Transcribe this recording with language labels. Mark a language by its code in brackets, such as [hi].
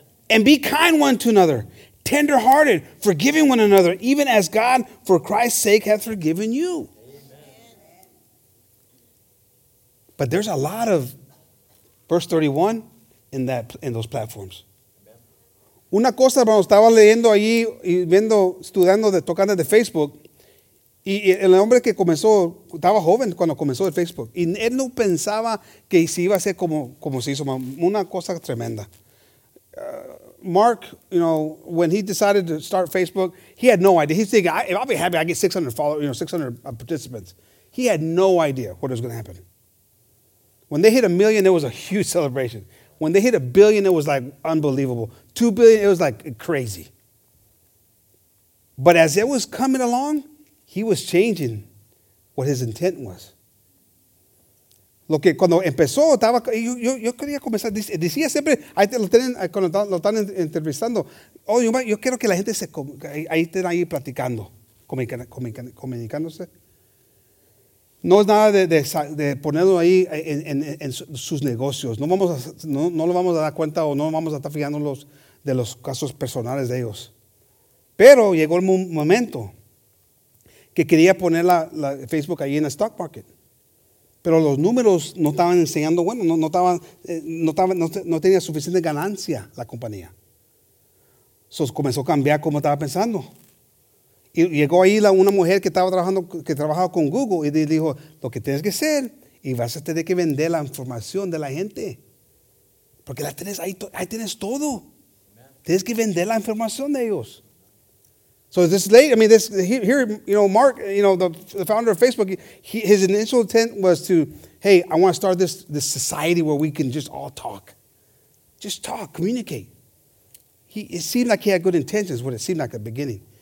[en] And be kind one to another, tenderhearted, forgiving one another, even as God for Christ's sake hath forgiven you. But there's a lot of verse 31 in those platforms. [es] Una cosa, hermano, estaba leyendo allí y viendo, estudiando, tocando de Facebook. Y el hombre que comenzó, estaba joven cuando comenzó el Facebook. Y él no pensaba que se iba a hacer como se hizo. Una cosa tremenda. [en] Mark, you know, when he decided to start Facebook, he had no idea. He's thinking, if I'll be happy, I get 600 followers, you know, 600 participants. He had no idea what was going to happen. When they hit 1 million, it was a huge celebration. When they hit 1 billion, it was like unbelievable. 2 billion, it was like crazy. But as it was coming along, he was changing what his intent was. [es] Lo que cuando empezó, estaba, yo quería comenzar, decía siempre, ahí te lo tienen, cuando lo están entrevistando, oh, yo quiero que la gente se, ahí estén ahí platicando, comunicándose. No es nada de ponerlo ahí en sus negocios. No lo vamos a dar cuenta o no vamos a estar fijándonos de los casos personales de ellos. Pero llegó el momento que quería poner la Facebook ahí en el stock market. Pero los números no estaban enseñando, bueno, no tenía suficiente ganancia la compañía. Entonces comenzó a cambiar como estaba pensando. Y llegó ahí una mujer que trabajaba con Google y dijo, lo que tienes que hacer y vas a tener que vender la información de la gente. Porque la tienes ahí tienes todo. Amen. Tienes que vender la información de ellos. [en] So this late, I mean, this here, you know, Mark, you know, the founder of Facebook, his initial intent was to, hey, I want to start this society where we can just all talk. Just talk, communicate. It seemed like he had good intentions, what it seemed like at the beginning.